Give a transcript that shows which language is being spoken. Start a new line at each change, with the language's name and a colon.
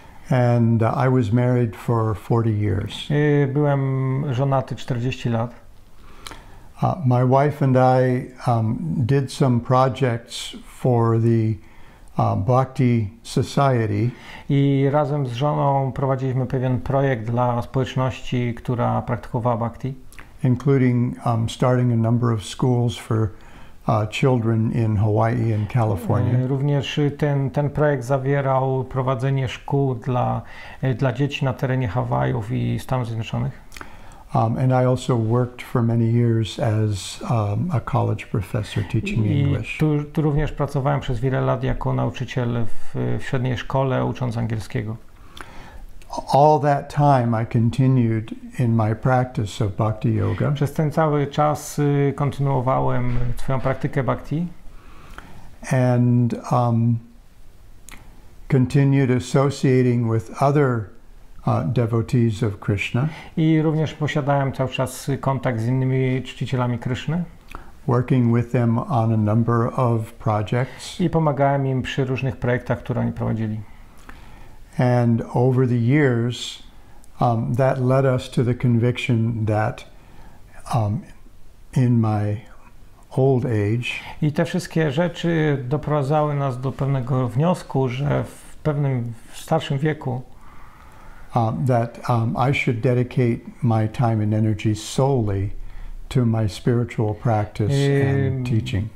English: And I was married for 40 years.
Polish: Byłem żonaty 40 lat.
English: My wife and I did some projects for the Bhakti Society.
Polish: I razem z żoną prowadziliśmy pewien projekt dla społeczności, która praktykowała Bhakti.
English: Including starting a number of schools for children in Hawaii and California.
Polish: Również ten projekt zawierał prowadzenie szkół dla dzieci na terenie Hawajów i Stanów Zjednoczonych.
English: And I also worked for many years as a college professor teaching English.
Polish: Tu również pracowałem przez wiele lat jako nauczyciel w średniej szkole ucząc angielskiego.
English: All that time I continued in my practice of Bhakti Yoga.
Polish: Przez ten cały czas kontynuowałem swoją praktykę Bhakti.
English: And continued associating with other devotees of Krishna.
Polish: I również posiadałem cały czas kontakt z innymi czcicielami Kryszny.
English: Working with them on a number of projects.
Polish: I pomagałem im przy różnych projektach, które oni prowadzili.
English: And over the years, that led us to the conviction that in my old age.
Polish: I te wszystkie rzeczy doprowadzały nas do pewnego wniosku, że w pewnym starszym wieku
English: I should dedicate my time and energy solely to my spiritual practice and teaching.